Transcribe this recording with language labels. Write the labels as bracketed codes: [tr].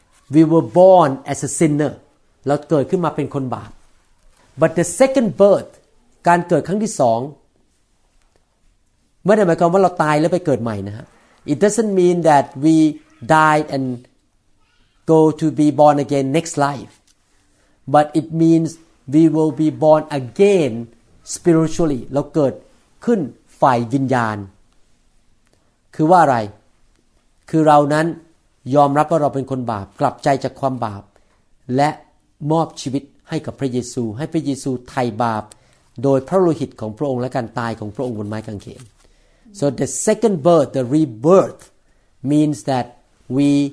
[en] We were born as a sinner. [th] เราเกิดขึ้นมาเป็นคนบาป [en] But the second birth, [th] การเกิดครั้งที่สองไม่ได้หมายความว่าเราตายแล้วไปเกิดใหม่นะฮะ [en] It doesn't mean that we died and go to be born again next life. But it means we will be born again spiritually. [th] เราเกิดขึ้นฝ่ายวิญญาณคือว่าอะไรคือเรานั้นยอมรับว่าเราเป็นคนบาปกลับใจจากความบาป และมอบชีวิตให้กับพระเยซูให้พระเยซูไถ่บาปโดยพระโลหิตของพระองค์และการตายของพระองค์บนไม้กางเขน [en] So the second birth the rebirth means that we